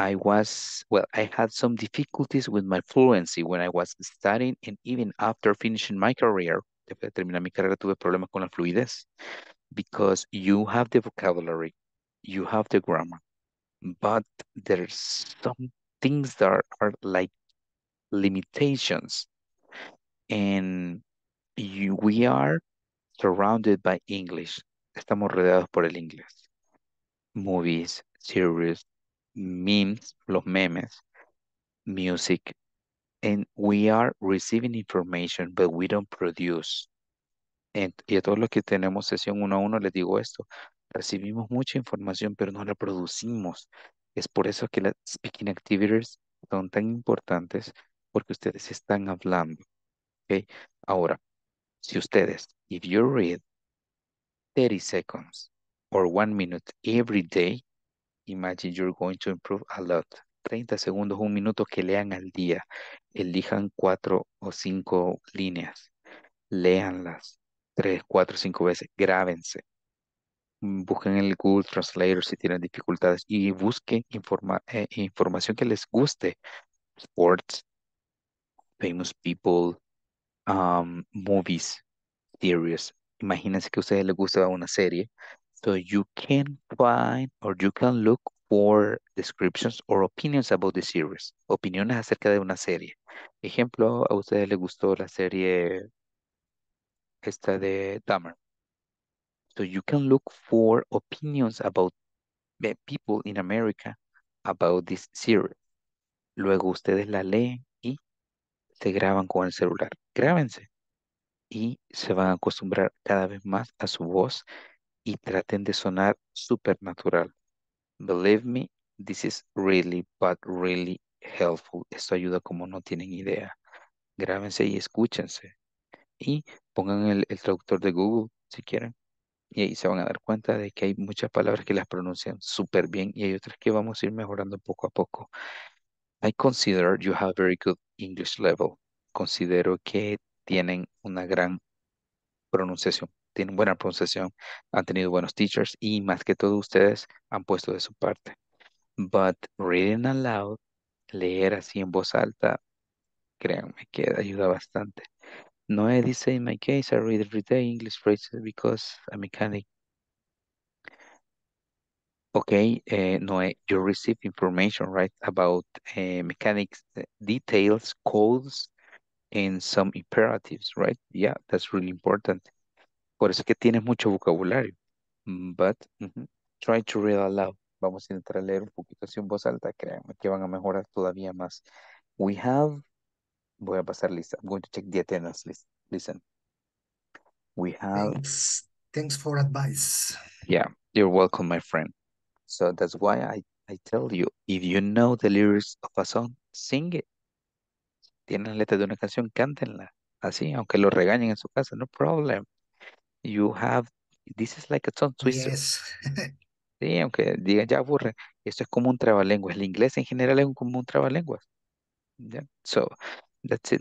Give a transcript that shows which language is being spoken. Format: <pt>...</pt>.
<en>I had some difficulties with my fluency when I was studying and even after finishing my career,</en> <es>después de terminar mi carrera tuve problemas con la fluidez,</es> <en>because you have the vocabulary, you have the grammar, but there's some things that are like limitations, and we are surrounded by English.</en> <es>Estamos rodeados por el inglés.</es> <en>Movies, series, memes, los memes, music, and we are receiving information, but we don't produce.</en> <es>Y a todos los que tenemos sesión 1-1 les digo esto: recibimos mucha información, pero no la producimos. Es por eso que las speaking activities son tan importantes. Porque ustedes están hablando, okay? Ahora, si ustedes,</es> <en>if you read 30 seconds or 1 minute every day, imagine you're going to improve a lot.</en> <es>30 segundos, un minuto que lean al día. Elijan 4 o 5 líneas. Leanlas 3, 4, 5 veces. Grábense. Busquen el Google Translator si tienen dificultades. Y busquen información que les guste. Sports. Famous people, movies, series. Imagínense que a ustedes les gusta una serie.</es> <en>So you can find or you can look for descriptions or opinions about the series.</en> <es>Opiniones acerca de una serie. Ejemplo, a ustedes les gustó la serie esta de Dahmer.</es> <en>So you can look for opinions about people in America about this series.</en> <es>Luego ustedes la leen. Te graban con el celular, grábense y se van a acostumbrar cada vez más a su voz y traten de sonar supernatural.</es> <en>Believe me, this is really, but really helpful.</en> <es>Esto ayuda como no tienen idea. Grábense y escúchense. Y pongan el traductor de Google si quieren. Y ahí se van a dar cuenta de que hay muchas palabras que las pronuncian súper bien y hay otras que vamos a ir mejorando poco a poco.</es> <en>I consider you have a very good English level.</en> <es>Considero que tienen una gran pronunciación. Tienen buena pronunciación, han tenido buenos teachers y más que todo ustedes han puesto de su parte.</es> <en>But reading aloud,</en> <es>leer así en voz alta, créanme que ayuda bastante.</es> <en>Noé dice, in my case, I read everyday English phrases because I'm a mechanic. Okay, Noé, you receive information, right, about mechanics details, codes, and some imperatives, right? Yeah, that's really important.</en> <es>Por eso es que tienes mucho vocabulario.</es> <en>But try to read aloud.</en> <es>Vamos a intentar leer un poquito así en voz alta, créanme, que van a mejorar todavía más.</es> <en>We have...</en> <es>Voy a pasar lista.</es> <en>I'm going to check the attendance list. Listen. We have... Thanks for advice. Yeah, you're welcome, my friend. So that's why I tell you, if you know the lyrics of a song, sing it.</en> <es>Tienen letra de una canción, cántenla. Así, aunque lo regañen en su casa, no problem.</es> <en>You have... This is like a tongue twister. Yes.</en> <es>Sí, aunque digan, ya aburre. Esto es como un trabalenguas. El inglés en general es como un trabalenguas.</es> <en>Yeah. So, that's it.</en>